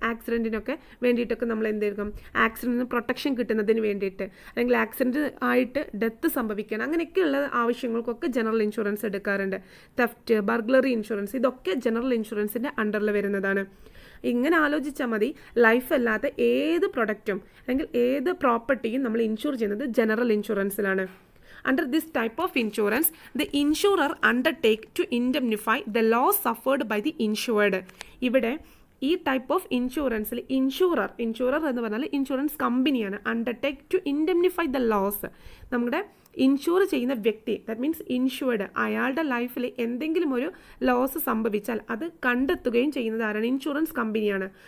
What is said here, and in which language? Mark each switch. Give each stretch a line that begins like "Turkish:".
Malayalam: ആക്സിഡൻറ്റിനൊക്കെ വേണ്ടിയിട്ടൊക്കെ നമ്മൾ എന്തെടുക്കും? ആക്സിഡൻറ്റിന് പ്രൊട്ടക്ഷൻ കിട്ടുന്നതിന് വേണ്ടിയിട്ട് അല്ലെങ്കിൽ ആക്സിഡൻറ്റ് ആയിട്ട് ഡെത്ത് സംഭവിക്കണം അങ്ങനെയൊക്കെയുള്ള ആവശ്യങ്ങൾക്കൊക്കെ ജനറൽ ഇൻഷുറൻസ് എടുക്കാറുണ്ട്. തെഫ്റ്റ്, ബർഗ്ലറി ഇൻഷുറൻസ് ഇതൊക്കെ ജനറൽ ഇൻഷുറൻസിൻ്റെ അണ്ടറിൽ വരുന്നതാണ്. ഇങ്ങനെ ആലോചിച്ചാൽ മതി, ലൈഫ് അല്ലാത്ത ഏത് പ്രൊഡക്റ്റും അല്ലെങ്കിൽ ഏത് പ്രോപ്പർട്ടിയും നമ്മൾ ഇൻഷുർ ചെയ്യുന്നത് general ഇൻഷുറൻസിലാണ്.
English: Under this type of insurance, the insurer undertake to indemnify the loss suffered by the insured.
Malayalam: ഇവിടെ ഈ ടൈപ്പ് ഓഫ് ഇൻഷുറൻസിൽ ഇൻഷുറർ എന്ന് പറഞ്ഞാൽ ഇൻഷുറൻസ് കമ്പനിയാണ്.
English: undertake to indemnify the loss,
Malayalam: നമ്മുടെ ഇൻഷുർ ചെയ്യുന്ന വ്യക്തി, ദാറ്റ് മീൻസ് ഇൻഷുർഡ്, അയാളുടെ ലൈഫിൽ എന്തെങ്കിലും ഒരു ലോസ് സംഭവിച്ചാൽ അത് കണ്ടെത്തുകയും ചെയ്യുന്നത് ആരാണ്? ഇൻഷുറൻസ് കമ്പനിയാണ്.